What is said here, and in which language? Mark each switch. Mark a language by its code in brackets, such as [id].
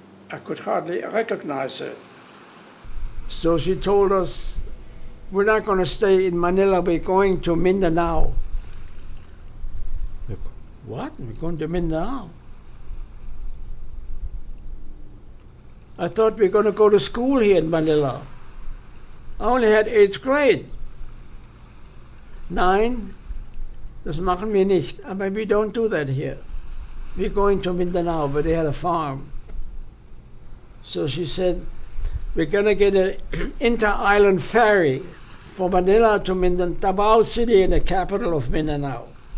[en] I could hardly recognize her. So she told us, we're not going to stay in Manila, we're going to Mindanao. What? We're going to Mindanao? I thought we were going to go to school here in Manila. I only had 8th grade. [de] Nein, das machen wir nicht. [en] I mean, we don't do that here. We're going to Mindanao, where they had a farm. So she said, we're going to get an inter-island ferry from Manila to Davao City in the capital of Mindanao.